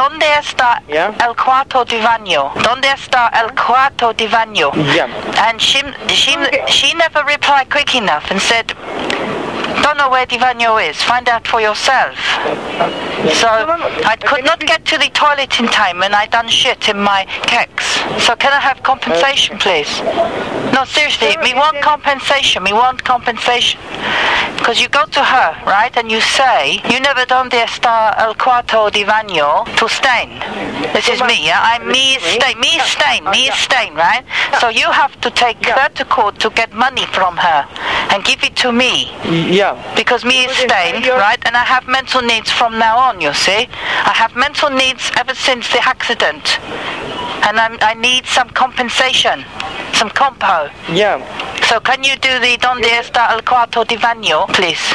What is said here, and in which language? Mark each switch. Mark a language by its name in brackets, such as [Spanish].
[Spanish] ¿Dónde está el cuarto de baño? ¿Dónde está el cuarto de baño? [English] Yeah. And she never replied quick enough and said, don't know where the baño is. Find out for yourself. So I could not get to the toilet in time and I done shit in my keks. So can I have compensation, please? No, seriously, we want compensation. We want compensation. Because you go to her, right, and you say, you never done the star el cuarto de baño to stain. This is me, yeah? I'm me stain. Me stain. Me stain, right? So you have to take her to court to get money from her and give it to me. Yeah. Because me is stained, right? And I have mental needs from now on, you see? I have mental needs ever since the accident. And I need some compensation, some compo. Yeah. So can you do the donde está el cuarto de baño, please?